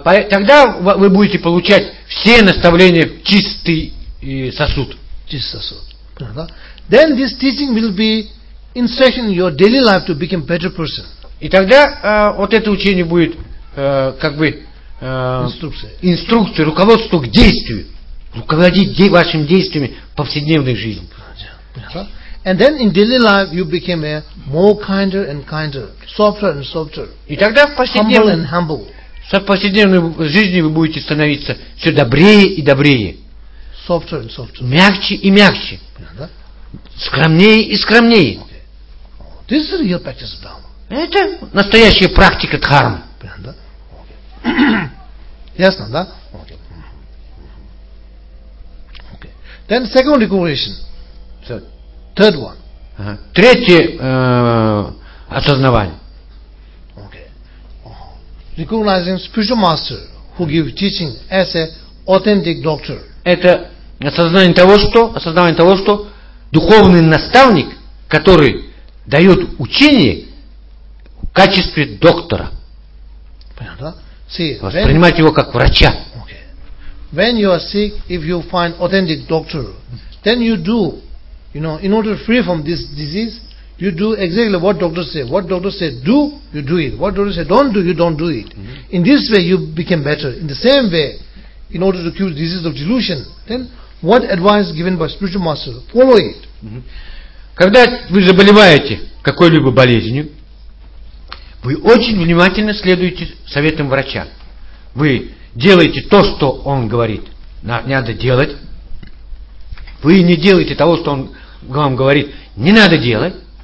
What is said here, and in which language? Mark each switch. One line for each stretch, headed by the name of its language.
Russian: Тогда вы будете получать все наставления в чистый сосуд. Чистый сосуд. Да?
English: Then this teaching will be instruction in your daily life to become a better person.
Russian: И тогда вот это учение будет как бы инструкция, руководство к действию, руководить вашими действиями в повседневной жизни.
English: And then in daily life you became a more kinder and kinder, softer and softer.
Russian: И тогда в повседневной, в повседневной жизни вы будете становиться все добрее и добрее.
English: Softer and softer.
Russian: Мягче и мягче. Понятно? Скромнее и скромнее.
English: Okay. This is real practice of Dharma.
Russian: Это настоящая практика дхармы. Понятно? Okay. Ясно, да? Okay.
English: Then second recognition. So, third one.
Russian: Третье осознавание.
English: Okay. Recognizing spiritual master who give teaching as a authentic doctor.
Russian: Это осознание того, что духовный наставник, который дает учение в качестве доктора. Понятно? See, воспринимать его как врача.
English: Okay. When you are sick, if you find authentic doctor, then you do. You know, in order to free from this disease, you do exactly what doctors say. What doctors say do, you do it. What doctors say don't do, you don't do it. In this way, you become better. In the same way, in order to cure disease of delusion, then what advice given by spiritual master, follow it.
Russian: Когда вы заболеваете какой-либо болезнью, вы очень внимательно следуете советам врача. Вы делаете то, что он говорит, надо делать. Вы не делаете того, что он вам говорит, не надо делать.